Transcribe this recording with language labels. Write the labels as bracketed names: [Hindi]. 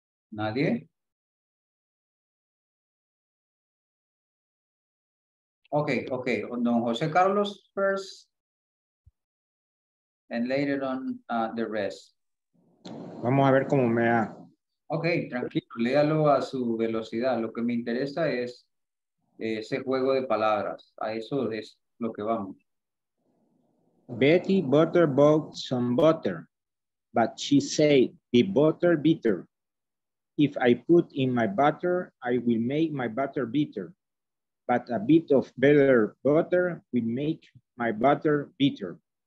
[Spanish] ¿Nadie? [English] Okay, okay, Don Jose Carlos first, and later on the rest. [Spanish] Vamos a ver cómo me va. Okay, tranquilo, léalo a su velocidad. Lo que me interesa es ese juego de palabras. A eso es lo que vamos. [English] Betty butter bought some butter, but she said the butter bitter. If I put in my butter, I will make my butter bitter. But a bit of better butter will make my butter bitter.